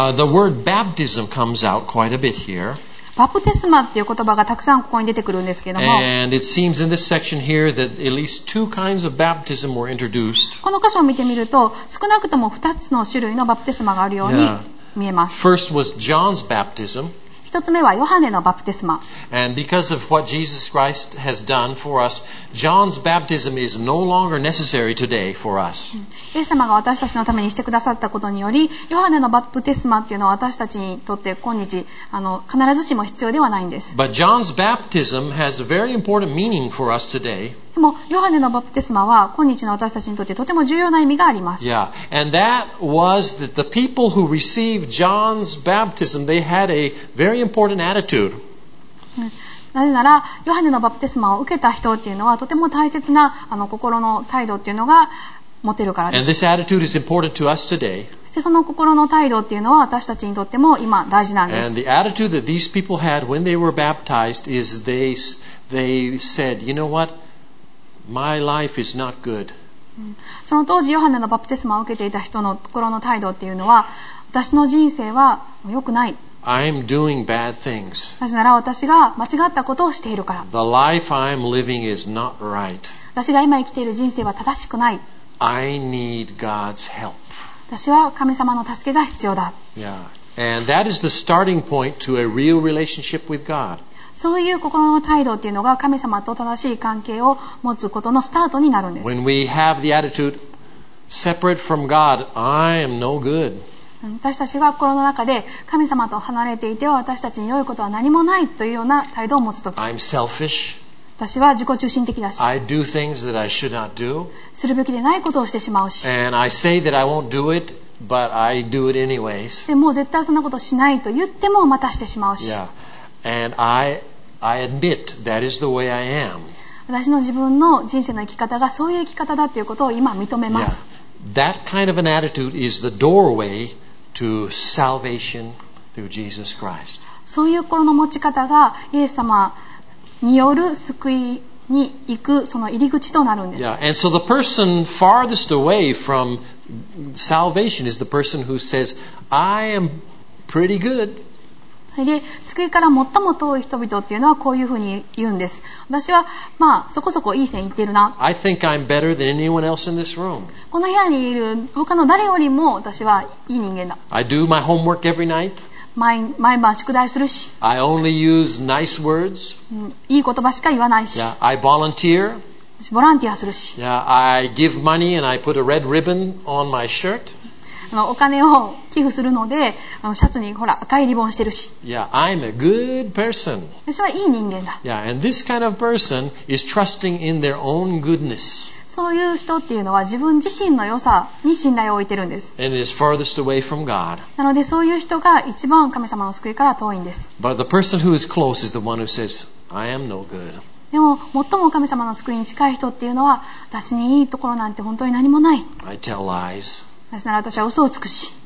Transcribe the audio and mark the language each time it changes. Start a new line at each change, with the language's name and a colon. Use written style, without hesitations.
English: The word baptism comes out quite a bit here.
Japanese: バプテスマっていう言葉がたくさんここに出てくるんですけども、この箇所を見てみると少なくとも2つの種類のバプテスマがあるように見えます。
English: First was John's baptism.
Japanese: 1つ目はヨハネのバプテスマ。
English: And because of what Jesus Christ has done for us, John's baptism is no longer necessary today for us.
Japanese: イエス様が私たちのためにしてくださったことにより、ヨハネのバプテスマっていうのは私たちにとって今日必ずしも必要ではないんです。
English: But John's baptism has a very important meaning for us today.
Japanese: でもヨハネのバプテスマは今日の私たちにとってとても重要な意味があります。
English: Yeah, and that was that the people who received John's baptism, they had a very important attitude.
Japanese: なぜならヨハネのバプテスマを受けた人っていうのはとても大切な心の態度っていうのが持てるからです。
English: And this attitude is important to us today.
Japanese: そしてその心の態度っていうのは私たちにとっても今大事なんです。
English: And the attitude that these people had when they were baptized is they said, you know what? My life is not good.
Japanese: その当時ヨハネのバプテスマを受けていた人の心の態度っていうのは、私の人生は良くない。
English: I'm doing bad things.
Japanese: なぜなら私が間違ったことをしているから。
English: The life I'm living is not right.
Japanese: 私が今生きている人生は正しくない。
English: I need God's help.
Japanese: 私は神様の助けが必要だ。
English: Yeah. And that is the starting point to a real relationship with God.
Japanese: そういう心の態度というのが神様と正しい関係を持つことのスタートになるんです。
English: When we have the attitude, separate from God, I am no good.
Japanese: 私たちが心の中で神様と離れていては私たちに良いことは何もないというような態度を持つとき、
English: I'm selfish.
Japanese: 私は自己中心的だし、
English: I do things that I should not do.
Japanese: するべきでないことをしてしまうし、
English: And I say that I won't do it. But I do it anyways.
Japanese: でも絶対そんなことしないと言ってもまたしてしまうし、
English: yeah. And I admit that is the way I am.
Japanese: 私の自分の人生の生き方がそういう生き方だということを今認めます、
English: yeah. That kind of an attitude is the doorway to salvation through Jesus Christ.
Japanese: そういう心の持ち方がイエス様による救いに行くその入り口となるんです。
English: Yeah. And so the person farthest away fromSalvation is the person who says, I am pretty good.
Japanese: で、救いから最も遠い人々っていうのはこういうふうに言うんです。私は、まあ、そこそこいい線いってるな。
English: I think I'm better than anyone else in this room.
Japanese: この部屋にいる他の誰よりも私はいい人間だ。
English: I do my homework every night.
Japanese: 毎晩宿題するし。
English: I only use nice words.
Japanese: いい言葉しか言わないし。
English: Yeah, I volunteer.
Japanese: ボランティアするし、
English: yeah, I give money and I put a red ribbon on my shirt.
Japanese: お金を寄付するのでシャツにほら赤いリボンしてるし、
English: yeah, I'm a good person.
Japanese: 私はいい人間だ、
English: yeah, and this kind of person is trusting in their own goodness.
Japanese: そういう人っていうのは自分自身の良さに信頼を置いてるんです。
English: and is farthest away from God.
Japanese: なのでそういう人が一番神様の救いから遠いんです。
English: But the person who is close is the one who says, I am no good.
Japanese: でも最も神様の救いに近い人っていうのは、私にいいところなんて本当に何もない。
English: I tell lies.
Japanese: なぜなら私は嘘をつくし、